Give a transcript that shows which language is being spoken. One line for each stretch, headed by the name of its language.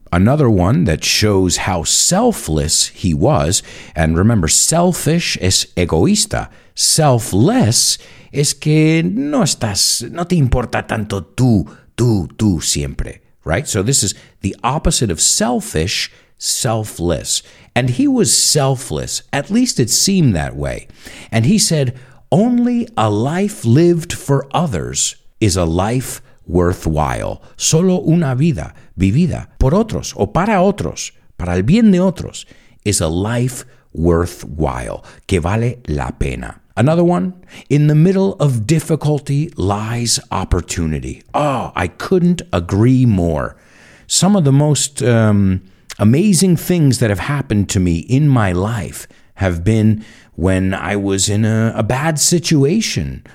English: Another one that shows how selfless he was, and remember,
Spanish: selfish es egoísta, selfless es que no estás, no te importa tanto tú, tú, tú siempre,
English: right? So this is the opposite of selfish, selfless. And he was selfless, at least it seemed that way. And he said, "Only a life lived for others is a life worthwhile."
Spanish: Solo una vida vivida por otros o para otros, para el bien de otros,
English: is a life worthwhile,
Spanish: que vale la pena.
English: Another one: in the middle of difficulty lies opportunity. Oh, I couldn't agree more. Some of the most amazing things that have happened to me in my life have been when I was in a bad situation.